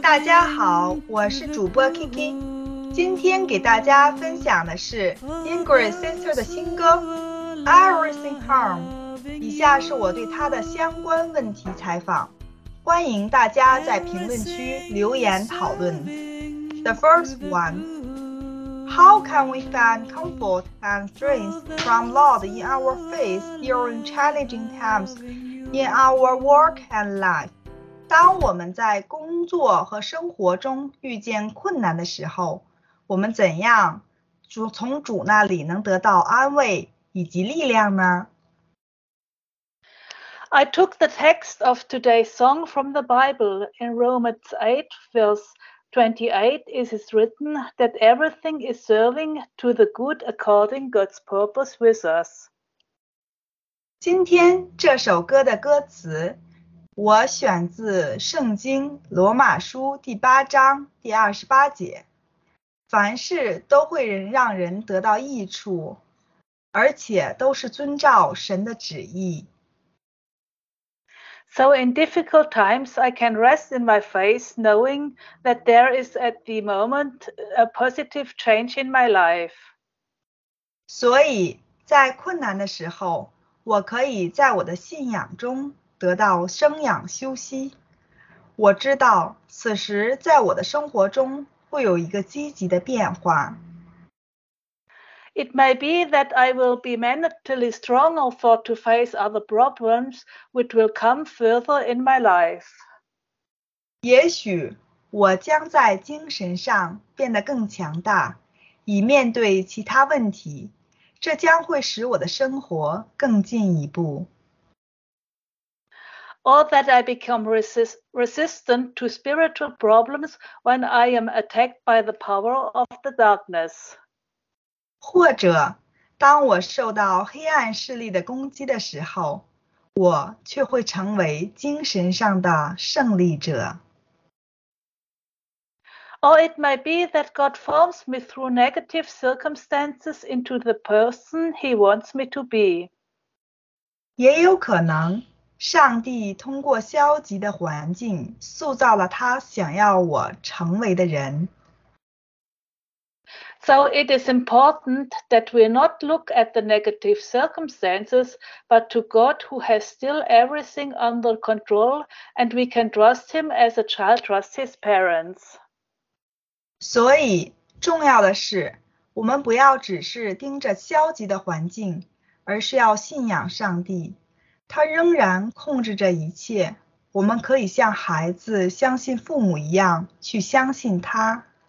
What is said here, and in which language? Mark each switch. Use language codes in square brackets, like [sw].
[zh] 大家好，我是主播 Kiki。今天给大家分享的是 Ingrid Sister 的新歌 Everything Harm， 以下是我对她的相关问题采访，欢迎大家在评论区留言讨论。 [en] The first one， How can we find comfort and strength from Lord in our faith during challenging times in our work and life？ [zh] 当我们在工作和生活中遇见困难的时候，我们怎样从主那里能得到安慰以及力量呢？ [en] I took the text of today's song from the Bible. In Romans 8 verse 28 it is written that everything is serving to the good according God's purpose with us. [zh] 今天这首歌的歌词我选自圣经罗马书第八章第二十八节，凡事都会让人得到益处，而且都是遵照神的旨意。 [en] So in difficult times I can rest in my faith knowing that there is at the moment a positive change in my life. [zh] 所以在困难的时候，我可以在我的信仰中得到生养休息。我知道此时在我的生活中会有一个积极的变化。 [en] It may be that I will be mentally stronger for to face other problems which will come further in my life. [zh] 也许我将在精神上变得更强大，以面对其他问题，这将会使我的生活更进一步。 [en] Or that I become resistant to spiritual problems when I am attacked by the power of the darkness. [zh] 或者当我受到黑暗势力的攻击的时候，我却会成为精神上的胜利者。 [en] Or it might be that God forms me through negative circumstances into the person he wants me to be. [zh] 也有可能上帝通过消极的环境塑造了他想要我成为的人。 [en] So it is important that we not look at the negative circumstances but to God who has still everything under control and we can trust him as a child trusts his parents. [zh] 所以重要的是我们不要只是盯着消极的环境，而是要信仰上帝，他仍然控制着一切，我们可以像孩子相信父母一样去相信他。